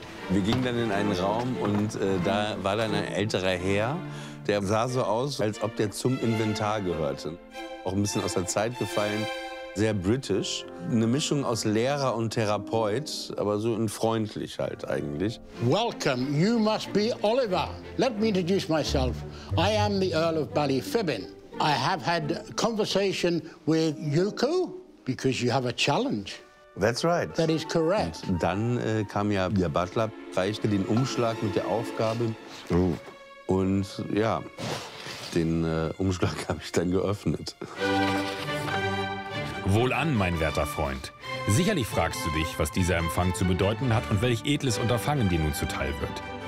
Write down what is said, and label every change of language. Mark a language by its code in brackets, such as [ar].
[de] Wir gingen dann in einen Raum und da war dann ein älterer Herr, der sah so aus, als ob der zum Inventar gehörte. Auch ein bisschen aus der Zeit gefallen, sehr britisch. Eine Mischung aus Lehrer und Therapeut, aber so freundlich halt eigentlich. [en] Welcome, you must be Oliver. Let me introduce myself. I am the Earl of Ballyfibbin. I have had a conversation with Yuko, because you have a challenge. That's right. That is correct. [de] Und dann kam ja der Butler, reichte den Umschlag mit der Aufgabe. Und ja, den Umschlag habe ich dann geöffnet. Wohlan, mein werter Freund. Sicherlich fragst du dich, was dieser Empfang zu bedeuten hat und welch edles Unterfangen dir nun zuteil wird.